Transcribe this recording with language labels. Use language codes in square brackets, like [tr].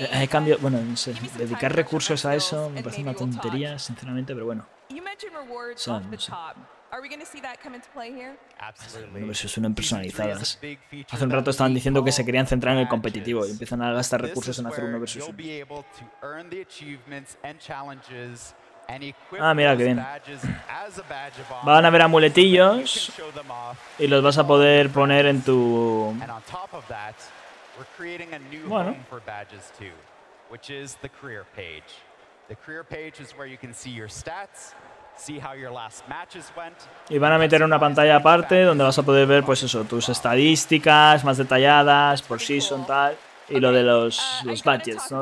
[es] Cambio, bueno, no sé, dedicar recursos a eso me parece una tontería, sinceramente, pero bueno. [en] Are we going to see that come into play here? Absolutely. [es] No, eso suenan personalizadas. Hace un rato estaban diciendo que se querían centrar en el competitivo y empiezan a gastar recursos en hacer uno versus uno. [en] You'll be able to earn the achievements and challenges and equip badges as a badge of honor. [es] Van a haber amuletillos y los vas a poder poner en tu... [en] And on top of that, we're creating a new home for badges too, which is the career page. The career page is where you can see your stats. See how your last matches went. [es] Y van a meter una pantalla aparte donde vas a poder ver, pues eso, tus estadísticas más detalladas por season tal y lo de los badges, ¿no?